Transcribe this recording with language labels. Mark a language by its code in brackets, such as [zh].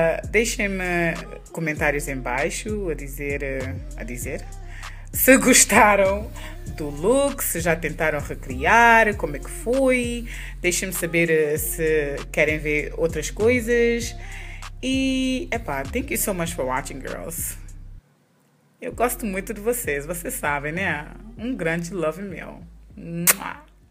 [pt] Deixem-me comentários em baixo a dizer Se gostaram do look, se já tentaram recriar, como é que foi, deixem-me saber se querem ver outras coisas. E, epá, [en] thank you so much for watching, girls. [pt] Eu gosto muito de vocês, vocês sabem, né? Um grande love meu. Mua.